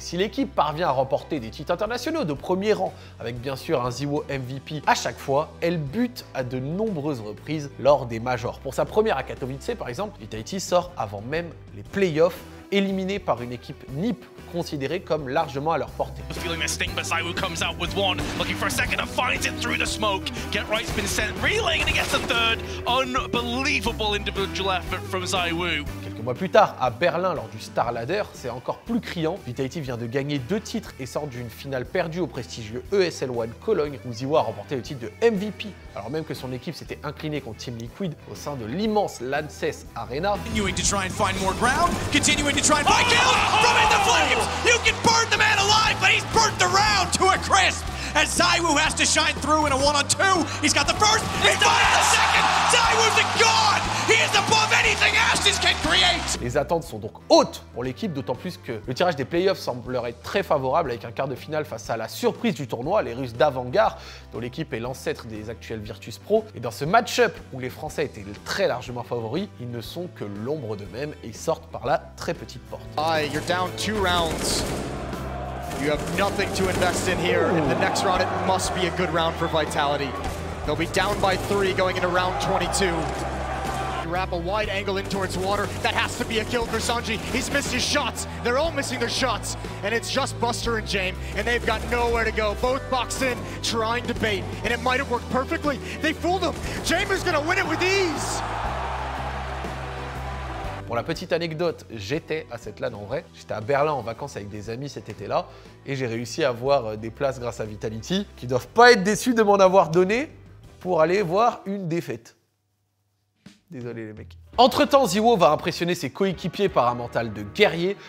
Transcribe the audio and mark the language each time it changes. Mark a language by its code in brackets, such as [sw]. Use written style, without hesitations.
[fr] Si l'équipe parvient à remporter des titres internationaux de premier rang, avec bien sûr un Zywo MVP à chaque fois, elle bute à de nombreuses reprises lors des Majors. Pour sa première à Katowice, par exemple, Vitality sort avant même les playoffs, éliminé par une équipe NIP considérée comme largement à leur portée. [en] Feeling this sting, but Zywu comes out with one, looking for a second and finds it through the smoke. Get Right's been sent, relaying and he gets the third. Unbelievable individual effort from Zywu. [fr] Quelques mois plus tard, à Berlin, lors du Star Ladder, c'est encore plus criant. Vitality vient de gagner deux titres et sort d'une finale perdue au prestigieux ESL One Cologne, où Zywo a remporté le titre de MVP, alors même que son équipe s'était inclinée contre Team Liquid au sein de l'immense Lanxess Arena. [en] Continuing to try and find more ground, continuing to try and find kill from in the flames. You can burn the man alive, but he's burnt the round to a crisp. As Zywu has to shine through in a one-on-two, he's got the first, he finds the second. Zywu's a god. He is above anything Ashes can create. [fr] Les attentes sont donc hautes pour l'équipe, d'autant plus que le tirage des playoffs semble leur être très favorable avec un quart de finale face à la surprise du tournoi, les Russes d'Avangard, dont l'équipe est l'ancêtre des actuels Virtus Pro. Et dans ce match-up où les Français étaient très largement favoris, ils ne sont que l'ombre d'eux-mêmes et sortent par la très petite porte. [en] Aye, you're down two rounds. You have nothing to invest in here. In the next round, it must be a good round for Vitality. They'll be down by three going into round 22. You wrap a wide angle in towards water. That has to be a kill for Sanji. He's missed his shots. They're all missing their shots. And it's just Buster and Jame, and they've got nowhere to go. Both boxed in, trying to bait. And it might have worked perfectly. They fooled him. Jame is going to win it with ease. [fr] Pour la petite anecdote, j'étais à cette LAN en vrai. J'étais à Berlin en vacances avec des amis cet été-là et j'ai réussi à avoir des places grâce à Vitality qui ne doivent pas être déçus de m'en avoir donné pour aller voir une défaite. Désolé les mecs. Entre-temps, Zywo va impressionner ses coéquipiers par un mental de guerrier.